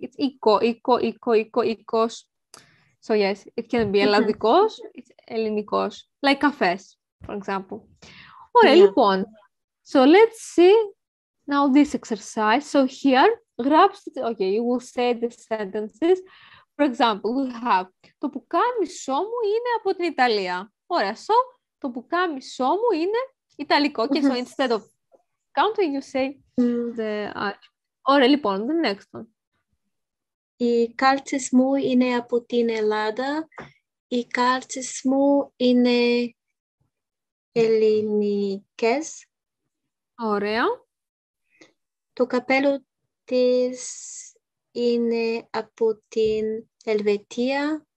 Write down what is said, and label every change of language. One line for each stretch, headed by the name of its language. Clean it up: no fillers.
English: It's ικο, ικο, ικο, ικο, ικος. So yes, it can be ελλαδικός, it's ελληνικός. Like cafes, for example.
Greek: Ωραία, λοιπόν.
English: So let's see now this exercise. So here,
Greek: γράψτε,
English: okay, you will say the sentences. For example, we have,
Greek: το πουκάμισό μου είναι από την Ιταλία. Ωραία,
English: so,
Greek: το πουκάμισό μου είναι ιταλικό.
English: Okay, so instead of counting, you say the...
Greek: Ωραία, λοιπόν,
English: the next one.
Greek: Οι κάλτσες μου είναι από την Ελλάδα. Οι κάλτσες μου είναι ελληνικές. Ωραία. Το καπέλο της είναι από την Ελβετία.